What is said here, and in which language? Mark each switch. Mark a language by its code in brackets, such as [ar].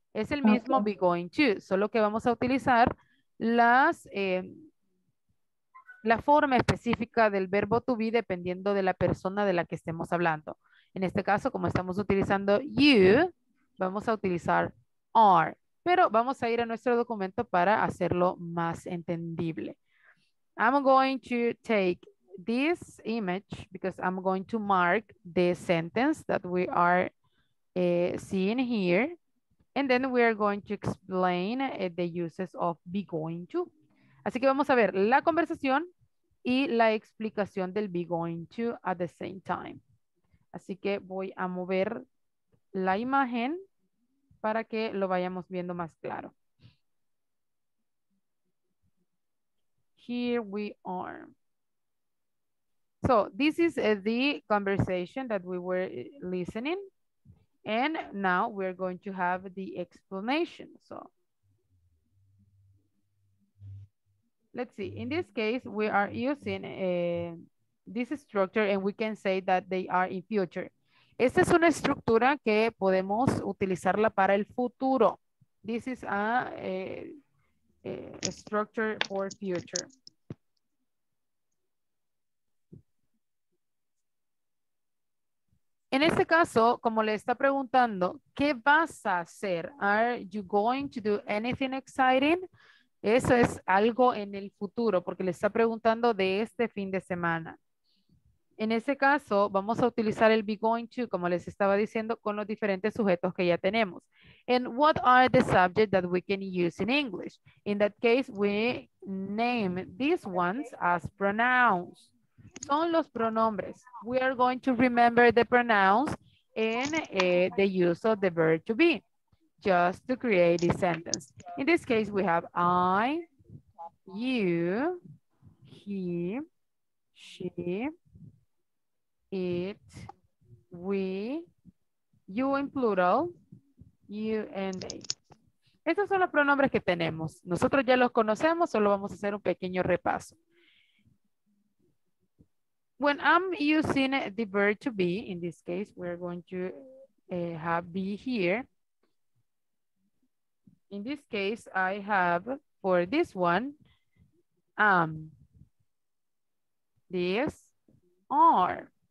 [es] Es el mismo okay. Be going to, solo que vamos a utilizar la forma específica del verbo to be dependiendo de la persona de la que estemos hablando. En este caso, como estamos utilizando you, vamos a utilizar are. Pero vamos a ir a nuestro documento para hacerlo más entendible. [en] I'm going to take this image because I'm going to mark the sentence that we are seeing here. And then we are going to explain the uses of be going to. [es] Así que vamos a ver la conversación y la explicación del be going to [en] at the same time. [es] Así que voy a mover la imagen para que lo vayamos viendo más claro. [en] Here we are. So this is the conversation that we were listening. And now we're going to have the explanation. So let's see. In this case, we are using this structure and we can say that they are in future. [es] Esta es una estructura que podemos utilizarla para el futuro. [en] This is a structure for future. [es] En este caso, como le está preguntando, ¿qué vas a hacer? [en] Are you going to do anything exciting? [es] Eso es algo en el futuro, porque le está preguntando de este fin de semana. En ese caso, vamos a utilizar el be going to, como les estaba diciendo, con los diferentes sujetos que ya tenemos. [en] And what are the subjects that we can use in English? In that case, we name these ones as pronouns. [es] Son los pronombres. [en] We are going to remember the pronouns and the use of the verb to be, just to create a sentence. In this case, we have I, you, he, she, it, we, you in plural, you and they. [es] Estos son los pronombres que tenemos. Nosotros ya los conocemos, solo vamos a hacer un pequeño repaso. [en] When I'm using the verb to be, in this case, we're going to have be here. In this case, I have for this one, this, are.